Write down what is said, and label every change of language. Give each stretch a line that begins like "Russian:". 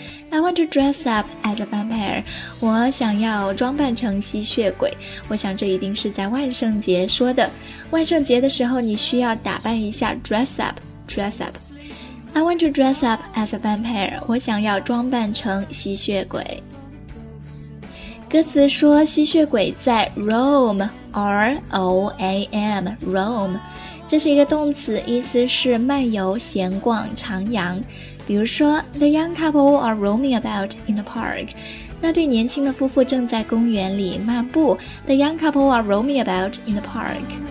English: I want to dress up as a vampire.
Chinese: 我想要装扮成吸血鬼。我想这一定是在万圣节说的。万圣节的时候你需要打扮一下， dress up.
English: I want to dress up as a vampire.
Chinese: 我想要装扮成吸血鬼。歌词说吸血鬼在 roam, R-O-A-M, roam。这是一个动词，意思是漫游、闲逛、徜徉。比如说
English: The young couple are roaming about in the park，
Chinese: 那对年轻的夫妇正在公园里漫步。
English: The young couple are roaming about in the park。